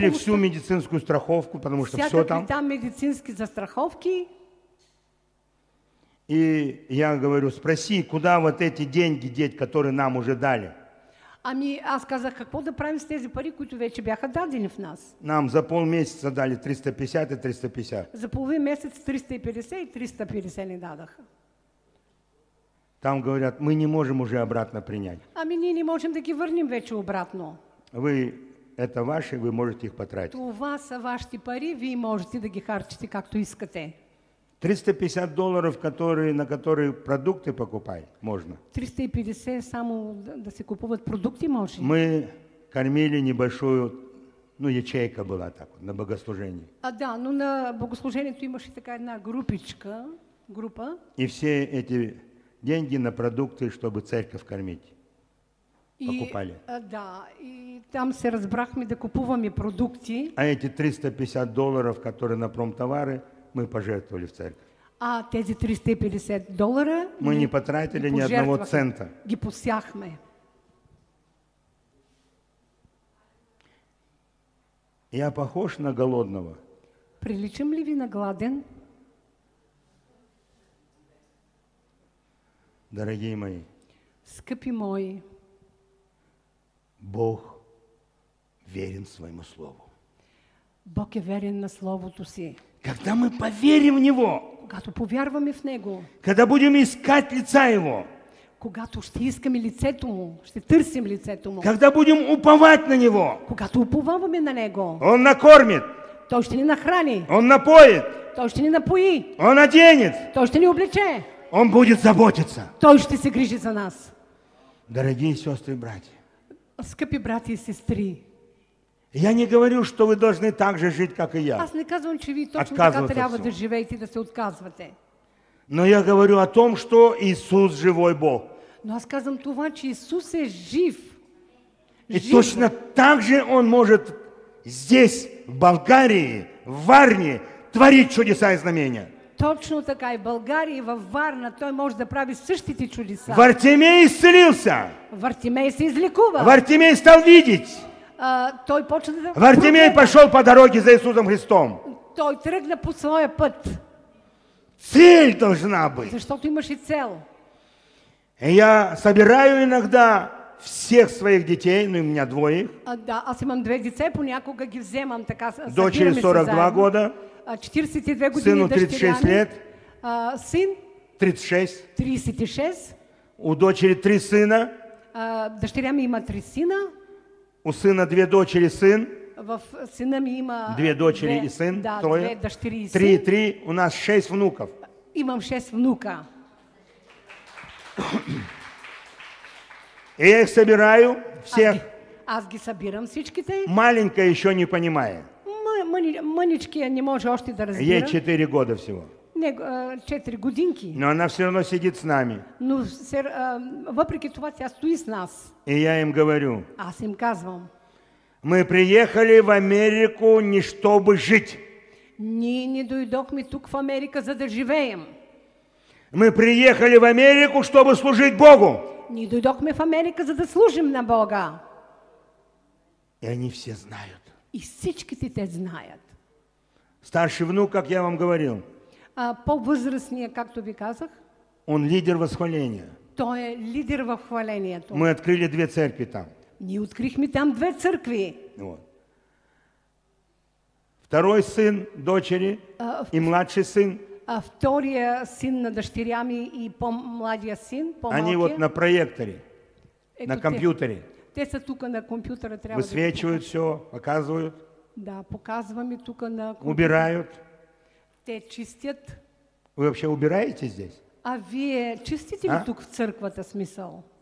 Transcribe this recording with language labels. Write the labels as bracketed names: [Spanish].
[Russian] Закрыли всю медицинскую страховку, потому что все там. [Bulgarian] Всякакви там [Russian] медицинские [Bulgarian] застраховки. [Russian] И я говорю, спроси, куда вот эти деньги деть, которые нам уже дали? [Bulgarian] Ами, аз казах, какво да правим с тези пари, които вече бяха дадени в нас? [Russian] Нам за полмесяца дали 350 и 350. [Bulgarian] За половин месец 350 и 350 не дадаха. [Russian] Там говорят, мы не можем уже обратно принять. [Bulgarian] Ами, ние не можем да ги върнем вече обратно. [Russian] Вы, это ваши, вы можете их потратить. [Bulgarian] Това са вашите пари, вие можете да ги харчите както искате. [Russian] $350, на которые продукты покупать можно. [Bulgarian] 350 само да се купуват продукти може. [Russian] Мы кормили небольшую, ну, ячейка была так на богослужении. [Bulgarian] А да, ну на богослужението имаше така една групичка, група. [Russian] И все эти деньги на продукты, чтобы церковь кормить. Покупали. [Bulgarian] Да, и там се разбрахме да купуваме продукти. [Russian] А эти $350, которые на промтовары, мы пожертвовали в церковь. [Bulgarian] А тези $350 [Russian] мы не потратили ни одного цента. [Bulgarian] Ги посяхме. [Russian] Я похож на голодного? [Bulgarian] Приличам ли ви на гладен? [Russian] Дорогие мои. [Bulgarian] Скъпи мои. [Russian] Бог верен своему слову. [Bulgarian] Бог е верен на словото си. [Russian] Когда мы поверим в Него, [Bulgarian] когато повярваме в Него, [Russian] когда будем искать лица Его, [Bulgarian] когато ще искаме лицето Му, ще търсим лицето Му, [Russian] когда будем уповать на Него, [Bulgarian] когато уповаваме на Него, [Russian] Он накормит, [Bulgarian] Той ще ни нахрани, [Russian] Он напоит, [Bulgarian] Той ще ни напои, [Russian] Он оденет, [Bulgarian] Той ще ни облече, [Russian] Он будет заботиться, [Bulgarian] Той ще се грижи за нас. [Russian] Дорогие сестры и братья, [Bulgarian] скъпи братя и сестри, [Russian] я не говорю, что вы должны так же жить, как и я. [Bulgarian] Аз не казвам, че ви точно така трябва да живеете, да се отказвате. [Russian] Но я говорю о том, что Иисус живой Бог. [Bulgarian] Но аз казвам това, че Иисус е жив. [Russian] И точно так же Он может здесь, в Болгарии, в Варне, творить чудеса и знамения. [Bulgarian] Точно така и в Болгарии, и в Варна Той може да прави същите чудеса. [Russian] Вартимей изцелился. [Bulgarian] Вартимей се излекува. [Russian] Вартимей стал видеть. [Bulgarian] Той почна да... [Russian] Вартимей пошел по дороге за Иисусом Христом. [Bulgarian] Той тръгна по своя път. [Russian] Цель должна быть. [Bulgarian] Защото имаш и цел. [Russian] Я собираю иногда всех своих детей, ну и у меня двое. [Bulgarian] Да, аз имам две деца, понякога ги вземам така. [Russian] Дочери 42 года. [Bulgarian] 42 години. [Russian] Сыну 36 лет. Сын? 36. 36. У дочери 3 сына. [Bulgarian] Дъщеря ми има 3 сына. [Russian] У сына две дочери, сын. [Bulgarian] В сына ми има две дочери и сын. [Russian] Да, трое. [Bulgarian] Две дъщери и сын. [Russian] Три. У нас 6 внуков. [Bulgarian] Имам 6 внука. [Russian] И я их собираю всех. [Bulgarian] Аз ги събирам всичките. [Russian] Маленькая еще не понимает. [Bulgarian] Мъничкия не може още да разбира. [Russian] Ей 4 года всего. [Bulgarian] Не, 4 годинки. [Russian] Но она все равно сидит с нами. [Bulgarian] Но въпреки това тя стои с нас. [Russian] И я им говорю. [Bulgarian] Аз им казвам. [Russian] Мы приехали в Америку не чтобы жить. [Bulgarian] Ние не дойдохме тук в Америка, за да живеем. [Russian] Мы приехали в Америку, чтобы служить Богу. [Bulgarian] Ние дойдохме в Америка, за да служим на Бога. [Russian] И они все знают. [Bulgarian] И всичките те знаят. [Russian] Старший внук, как я вам говорил. [Bulgarian] По-възрастния, както ви казах. [Russian] Он лидер възхваления. [Bulgarian] Той е лидер в хвалението. [Russian] Мы открыли две церкви там. [Bulgarian] Ние открихме там две църкви. [Russian] Вот. Второй сын дочери и младший сын. [Bulgarian] Втория син на дъщеря ми и по-младия син, по-малкия. [Russian] Они вот на проекторе, ето на компьютере. [Bulgarian] Те са тука на компьютера. [Russian] Высвечивают да все, показывают. [Bulgarian] Да, показваме тука на компьютера. [Russian] Убирают. [Bulgarian] Те чистят. [Russian] Вы вообще убираете здесь? [Bulgarian] А вие чистите ли тук в църквата, смисъл?